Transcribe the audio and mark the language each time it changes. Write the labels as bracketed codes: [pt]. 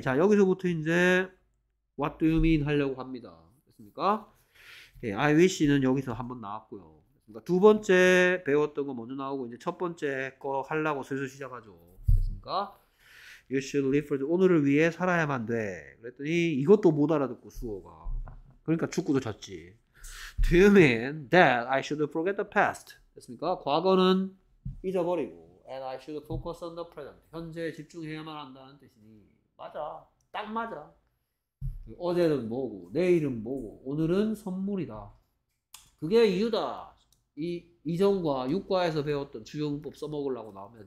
[ko] 자, 여기서부터 이제 [en] what do you mean [ko] 하려고 합니다. 됐습니까? I wish는 여기서 한번 나왔고요. 그러니까 두 번째 배웠던 거 먼저 나오고 이제 첫 번째 거 하려고 슬슬 시작하죠. 됐습니까? [en] You should live for today. [ko] 오늘을 위해 살아야만 돼. 그랬더니 이것도 못 알아듣고 수호가. 그러니까 축구도 졌지. [en] Do you mean that I should forget the past? [ko] 됐습니까? 과거는 잊어버리고 [en] and I should focus on the present. [ko] 현재에 집중해야만 한다는 뜻이니 맞아. 딱 맞아. 어제는 뭐고 내일은 뭐고 오늘은 선물이다. 그게 이유다. 이 이전과 육과에서 배웠던 주용법 써먹으려고 나옵니다.